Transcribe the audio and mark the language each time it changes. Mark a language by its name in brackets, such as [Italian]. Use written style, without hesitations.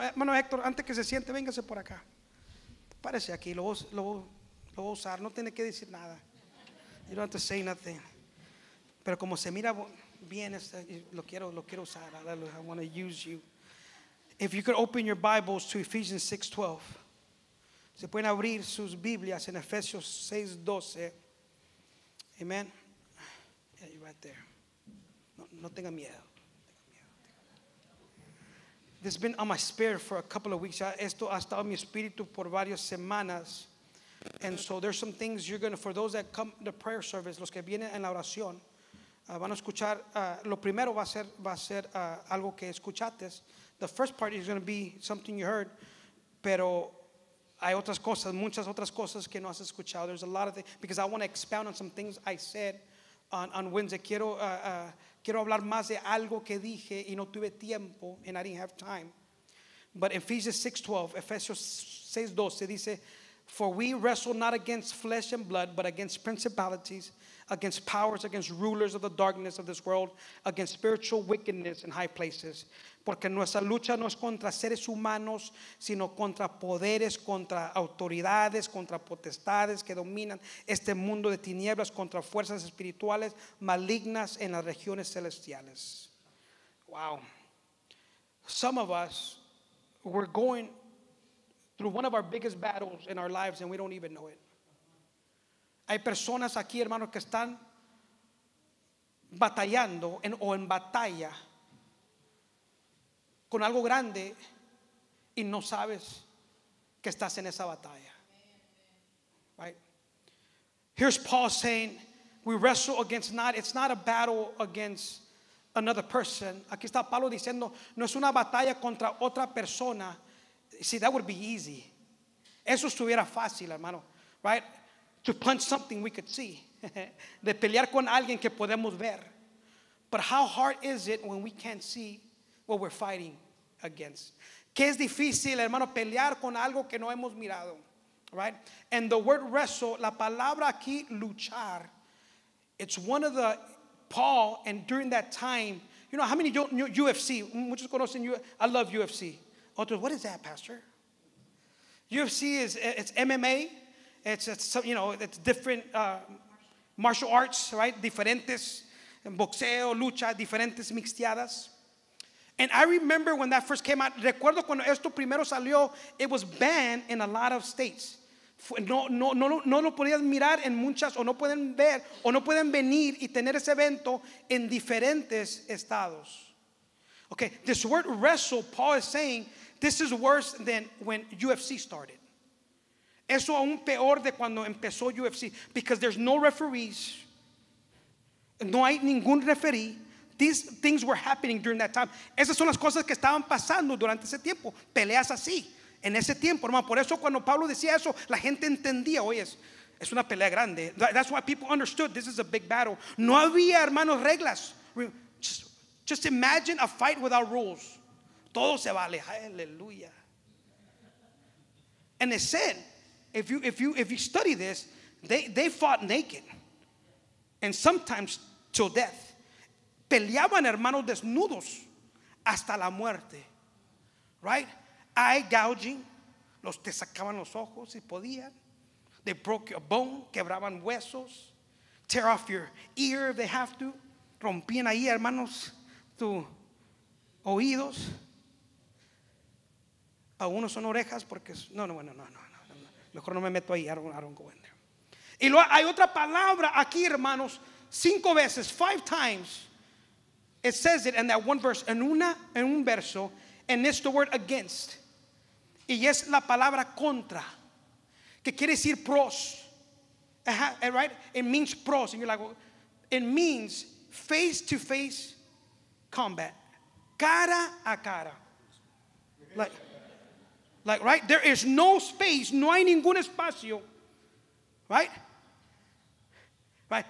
[Spanish] Hermano Hector, antes que se siente, véngase por acá. Párese aquí. Lo voy a usar. No tiene que decir nada. [English] You don't have to say nothing. [Spanish] Pero como se mira bien, lo quiero usar. [English] I want to use you. If you could open your Bibles to Ephesians 6:12. [Spanish] Se pueden abrir sus Biblias en Efesios 6:12. Amen. [English] Yeah, you're right there. [Spanish] No tenga miedo. [English] This has been on my spirit for a couple of weeks. [Spanish] Esto ha estado en mi espíritu por varias semanas. [English] And so there's some things you're going to, for those that come to prayer service, [Spanish] los que vienen en la oración, van a escuchar, lo primero va a ser algo que escuchaste. [English] The first part is going to be something you heard, [Spanish] pero hay otras cosas, muchas otras cosas que no has escuchado. [English] There's a lot of things, because I want to expound on some things I said on Wednesday. [Spanish] Quiero hablar más de algo que dije y no tuve tiempo, [English] and I didn't have time. But Ephesians 6:12 [Spanish] dice, [English] for we wrestle not against flesh and blood, but against principalities, against powers, against rulers of the darkness of this world, against spiritual wickedness in high places. [Spanish] Porque nuestra lucha no es contra seres humanos, sino contra poderes, contra autoridades, contra potestades que dominan este mundo de tinieblas, contra fuerzas espirituales malignas en las regiones celestiales. [English] Wow. Some of us, we're going through one of our biggest battles in our lives and we don't even know it. [Spanish] Hay personas aquí, hermanos, que están batallando en batalla con algo grande y no sabes que estás en esa batalla. [English] Right? Here's Paul saying, we wrestle against it's not a battle against another person. [Spanish] Aquí está Pablo diciendo, no es una batalla contra otra persona. [English] See, that would be easy. [Spanish] Eso estuviera fácil, hermano. [English] Right? To punch something we could see. [Spanish] De pelear con alguien que podemos ver. [English] But how hard is it when we can't see what we're fighting against? [Spanish] ¿Qué es difícil, hermano, pelear con algo que no hemos mirado? [English] Right? And the word wrestle, [Spanish] la palabra aquí, luchar. [English] It's one of the, Paul, and during that time, you know, how many UFC, [Spanish] muchos conocen UFC. [English] I love UFC. [Spanish] Otros, [English] what is that, Pastor? UFC is, it's MMA. It's you know, it's different martial arts, right? [Spanish] Diferentes, boxeo, lucha, diferentes mixteadas. [English] And I remember when that first came out, [Spanish] recuerdo cuando esto primero salió, [English] it was banned in a lot of states. [Spanish] No podían mirar en muchas, o no pueden ver, o no pueden venir y tener ese evento en diferentes estados. [English] Okay, this word wrestle, Paul is saying, this is worse than when UFC started. [Spanish] Eso aún peor de cuando empezó UFC, [English] because there's no referees, [Spanish] no hay ningún referee. [English] These things were happening during that time. [Spanish] Esas son las cosas que estaban pasando durante ese tiempo. Peleas así, en ese tiempo, hermano. Por eso cuando Pablo decía eso, la gente entendía, oye, es una pelea grande. [English] That's why people understood, this is a big battle. [Spanish] No había, hermanos, reglas. [English] Just imagine a fight without rules. [Spanish] Todo se vale. Aleluya. [English] And they said, if you study this, they fought naked. And sometimes till death. [Spanish] Peleaban, hermanos, desnudos hasta la muerte. [English] Right? Eye gouging. [Spanish] Los te sacaban los ojos si podían. [English] They broke your bone. [Spanish] Quebraban huesos. [English] Tear off your ear if they have to. [Spanish] Rompían ahí, hermanos, tus oídos. Algunos son orejas porque... No. Mejor no me meto ahí. [English] I don't go in there. [Spanish] Y luego hay otra palabra aquí, hermanos. Cinco veces. [English] Five times. It says it in that one verse, [Spanish] en un verso, [English] and it's the word against. [Spanish] Y es la palabra contra, que quiere decir pros. [English] Right? It means pros. And you're like, it means face-to-face combat. [Spanish] Cara a cara. [English] Like, right? There is no space, [Spanish] no hay ningún espacio. [English] Right? Right?